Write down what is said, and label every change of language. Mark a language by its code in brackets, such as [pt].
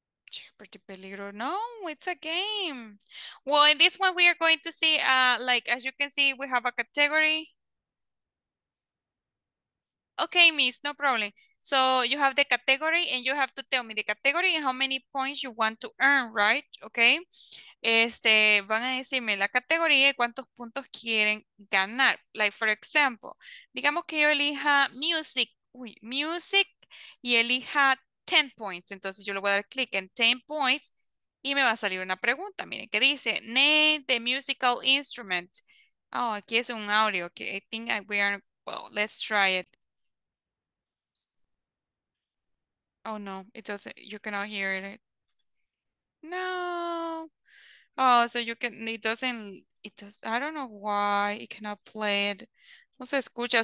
[en] Jeopardy Peligro, no, it's a game. Well, in this one, we are going to see, like, as you can see, we have a category. Okay, Miss, no problem. So you have the category and you have to tell me the category and how many points you want to earn, right? Okay. [es] Este, van a decirme la categoría y cuántos puntos quieren ganar. [en] Like, for example, [es] digamos que yo elija music. Uy, music y elija 10 points. Entonces yo le voy a dar clic en 10 points y me va a salir una pregunta. Miren, ¿qué dice? [en] Name the musical instrument. [es] Oh, aquí es un audio. [en] Okay, I think we are, well, let's try it. Oh no, it doesn't, you cannot hear it. No. Oh, so you can, it does, I don't know why it cannot play it. [es] No se escucha.